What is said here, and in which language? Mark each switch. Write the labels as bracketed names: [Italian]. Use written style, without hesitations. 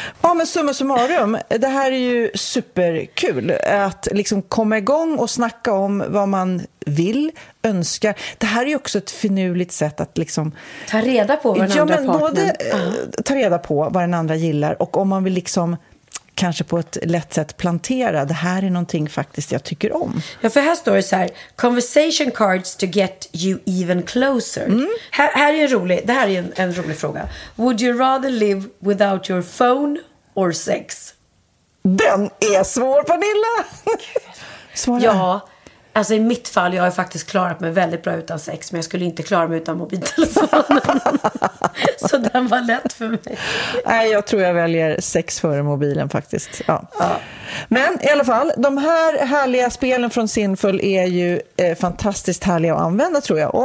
[Swedish] Ja, men summa summarum, det här är ju superkul att liksom komma igång och snacka om vad man vill, önska. Det här är ju också ett finurligt sätt att liksom ta reda på vad den andra partnern. Både ta reda på vad den andra gillar och om man vill liksom kanske på ett lätt sätt plantera. Det här är någonting faktiskt jag tycker om. Ja, för här står det så här. [English] Conversation cards to get you even closer. Mm. [Swedish] Det här är en rolig fråga. [English] Would you rather live without your phone or sex? [Swedish] Den är svår, Pernilla! Svara. Ja, alltså i mitt fall, jag har faktiskt klarat mig väldigt bra utan sex. Men jag skulle inte klara mig utan mobiltelefonen. Så den var lätt för mig. Nej, jag tror jag väljer sex före mobilen faktiskt. Ja. Ja. Men i alla fall, de här härliga spelen från Sinful är ju fantastiskt härliga att använda, tror jag.